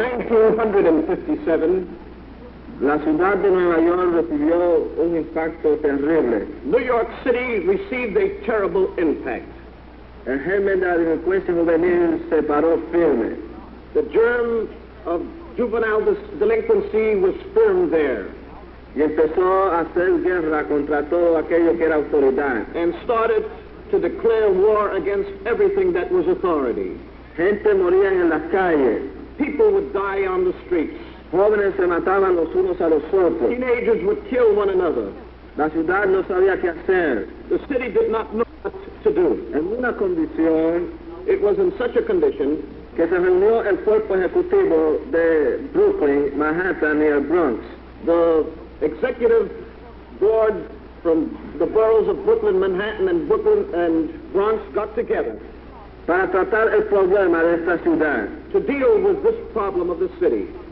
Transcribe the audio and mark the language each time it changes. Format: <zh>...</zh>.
<es>En 1957, la ciudad de Nueva York recibió un impacto terrible.</es> <en>New York City received a terrible impact.</en> <es>El germen de la delincuencia juvenil se paró firme.</es> <en>The germ of juvenile delinquency was firm there.</en> <es>Y empezó a hacer guerra contra todo aquello que era autoridad.</es> <en>And started to declare war against everything that was authority.</en> <es>Gente moría en las calles.</es> <en>People would die on the streets.</en> <es>Jóvenes se mataban los unos a los otros.</es> <en>Teenagers would kill one another.</en> <es>La ciudad no sabía qué hacer.</es> <en>The city did not know what to do.</en> <es>En una condición,</es> <en>it was in such a condition</en> <es>que se reunió el cuerpo ejecutivo de Brooklyn, Manhattan, y el Bronx.</es> <en>The executive board from the boroughs of Brooklyn, Manhattan, and Brooklyn and Bronx got together.</en> <es>Para tratar el problema de esta ciudad.</es> <en>To deal with this problem of the city.</en>